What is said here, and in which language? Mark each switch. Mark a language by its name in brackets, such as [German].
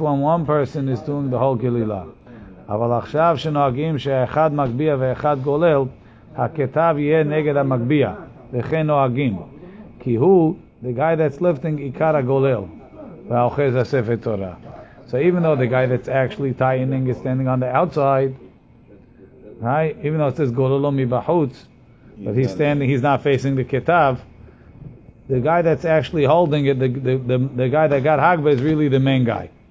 [English] when one person is doing the whole Gilila. [Hebrew] אבל עכשיו שנוהגים שאחד מקביע ואחד גולל, הכתב יהיה נגד המקביע, וכן נוהגים. כי הוא, [English] the guy that's lifting, [Hebrew] עיקר הגולל, והאוחז הספר תורה. [English] So even though the guy that's actually tightening is standing on the outside, right? Even though it says [Hebrew] גוללו מבחוץ, [English] but he's standing, he's not facing the Ketav. The guy that's actually holding it, the guy that got Hagba is really the main guy.